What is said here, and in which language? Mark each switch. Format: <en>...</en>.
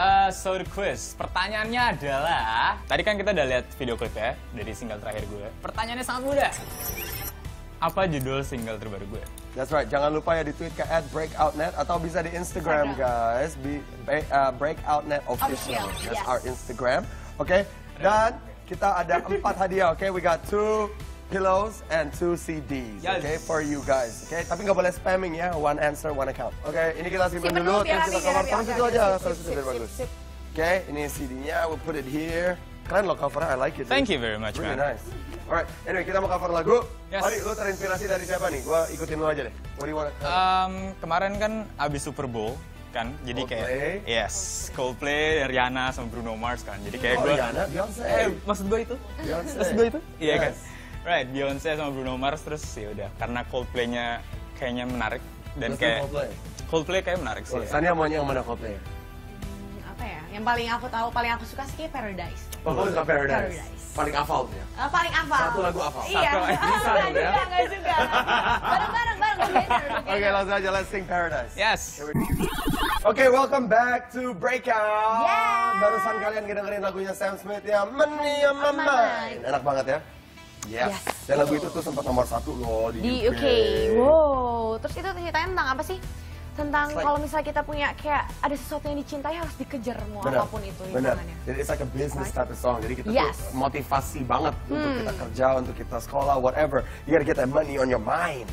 <en>So the quiz,</en> <id>pertanyaannya adalah, tadi kan kita udah lihat video clip ya dari single terakhir gue. Pertanyaannya sangat mudah. Apa judul single terbaru gue?</id> <en>That's right,</en> <id>jangan lupa ya di tweet ke @breakoutnet atau bisa di Instagram guys. Breakoutnetofficial,</id> <en>yes. That's our Instagram.</en> <id>Oke, dan kita ada 4 hadiah, oke?</id> <en>We got 2 pillows and 2 CDs, oke? For you guys, oke?</en> <id>Tapi gak boleh spamming ya,</id> <en>one answer, one account.</en> <id>Oke, ini kita simpan dulu, terus kita cover. Tolong situ aja, terus bagus. Oke, ini CD-nya,</id> <en>we'll put it here.</en> <id>Keren loh covernya,</id> <en>I like it. Thank you very much, man. Really nice. Alright, anyway</en> <id>kita mau cover lagu.</id> <en>Yes.</en> <id>Mari, lu terinspirasi dari siapa nih? Gua ikutin lu aja deh.</id> <en>What do you want?</en> <id>Kemarin kan abis Super Bowl kan, jadi Coldplay. Coldplay, Rihanna sama Bruno Mars kan. Jadi kayak gue. Rihanna, Beyonce. Maksud gue itu? Iya kan. Right, Beyonce sama Bruno Mars terus sih udah. Karena Coldplay-nya kayaknya menarik dan terus kayak Coldplay kayak menarik sih. Sania ya. Maunya yang mana Coldplay? Yang paling aku tahu, paling aku suka sih Paradise. Oh, kamu suka Paradise? Paling hafal ya? Paling hafal. Satu lagu hafal. Iya. Enggak juga. Bareng-bareng. Oke, langsung aja.</id> <en>Let's sing Paradise. Yes. Okay, welcome back to Breakout. Yeah.</en> <id>Barusan kalian dengerin lagunya Sam Smith ya. Money on my mind. Enak banget ya. Yes. Dan lagu itu tuh sempat nomor 1 loh di UK. Di UK. Wow. Terus itu ceritanya tentang apa sih? Tentang</id> <en>like,</en> <id>kalau misalnya kita punya kayak ada sesuatu yang dicintai harus dikejar mau apapun itu hitungannya. Jadi</id> <en>it's like a business type of song.</en> <id>Jadi kita tuh motivasi banget untuk kita kerja, untuk kita sekolah,</id> <en>whatever. You gotta get that money on your mind.</en>